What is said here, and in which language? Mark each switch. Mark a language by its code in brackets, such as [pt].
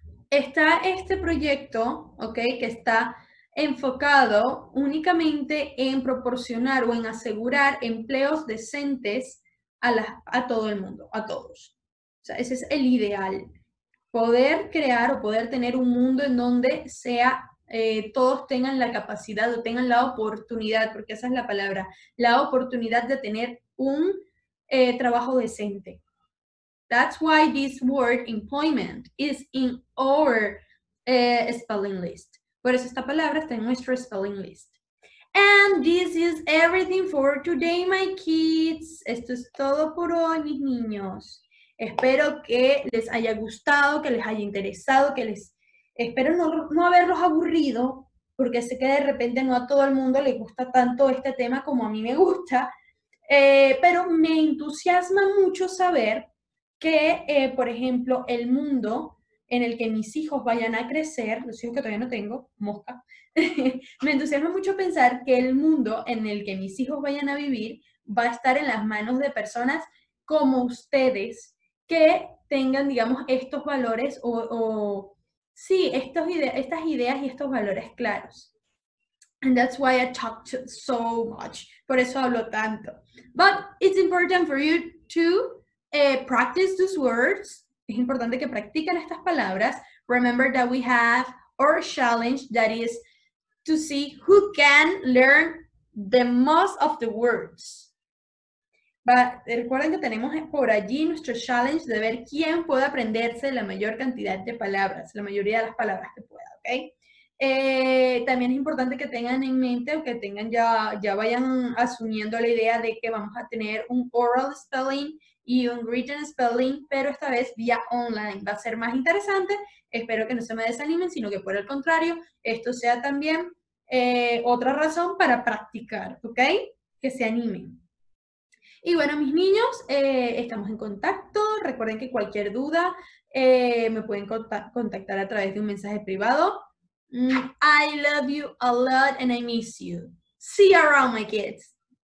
[es] Está este proyecto, okay, que está enfocado únicamente en proporcionar o en asegurar empleos decentes a todo el mundo, a todos. O sea, ese es el ideal. Poder crear o poder tener un mundo en donde sea, todos tengan la capacidad o tengan la oportunidad, porque esa es la palabra, la oportunidad de tener un trabajo decente. [en] That's why this word employment is in our spelling list. [es] Por eso esta palabra está en nuestra [en] spelling list. And this is everything for today, my kids. [es] Esto es todo por hoy, mis niños. Espero que les haya gustado, que les haya interesado, que les... Espero no haberlos aburrido, porque sé que de repente no a todo el mundo le gusta tanto este tema como a mí me gusta. Pero me entusiasma mucho saber que, por ejemplo, el mundo en el que mis hijos vayan a crecer, los hijos que todavía no tengo, mosca, me entusiasma mucho pensar que el mundo en el que mis hijos vayan a vivir va a estar en las manos de personas como ustedes, que tengan, digamos, estos valores estas ideas y estos valores claros. [en] And that's why I talk so much. [es] Por eso hablo tanto. [en] But it's important for you to practice these words. [es] Es importante que practiquen estas palabras. [en] Remember that we have our challenge, that is to see who can learn the most of the words. [es] Recuerden que tenemos por allí nuestro challenge de ver quién puede aprenderse la mayor cantidad de palabras, la mayoría de las palabras que pueda, ¿ok? También es importante que tengan en mente o que tengan ya vayan asumiendo la idea de que vamos a tener un oral spelling y un written spelling, pero esta vez vía online. Va a ser más interesante. Espero que no se me desanimen, sino que por el contrario, esto sea también otra razón para practicar, ¿ok? que se animen. Y bueno, mis niños, estamos en contacto. Recuerden que cualquier duda me pueden contactar a través de un mensaje privado. [en] I love you a lot and I miss you. See you around, my kids.